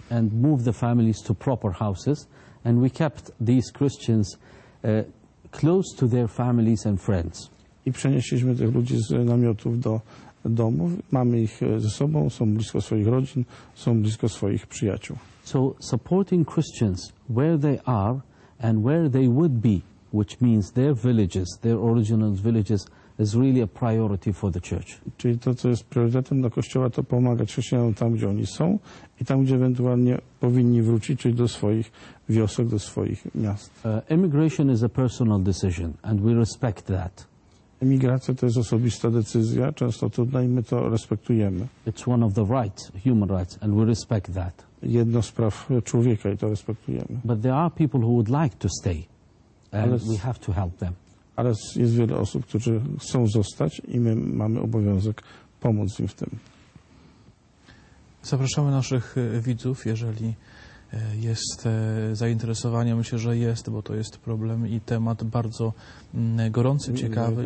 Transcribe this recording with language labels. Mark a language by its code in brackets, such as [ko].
[en] And moved the families to proper houses, and we kept these Christians close to their families and friends. [pl] I przenieśliśmy tych ludzi z namiotów do domów. Mamy ich ze sobą, są blisko swoich rodzin, są blisko swoich przyjaciół. [en] So supporting Christians where they are and where they would be, which means their villages, their original villages, is really a priority for the church. [pl] Czyli to, co jest priorytetem dla Kościoła, to pomagać chrześcijanom tam, gdzie oni są i tam, gdzie ewentualnie powinni wrócić, czyli do swoich wiosek, do swoich miast. [en] Immigration is a personal decision and we respect that. [pl] Emigracja to jest osobista decyzja, często trudna i my to respektujemy. [en] It's one of the rights, human rights, and we respect that. [pl] Jedno z praw człowieka i to respektujemy. [en] But there are people who would like to stay and we have to help them. [pl] Ale jest wiele osób, którzy chcą zostać i my mamy obowiązek pomóc im w tym. Zapraszamy naszych widzów, jeżeli jest zainteresowanie. Myślę, że jest, bo to jest problem i temat bardzo gorący, ciekawy.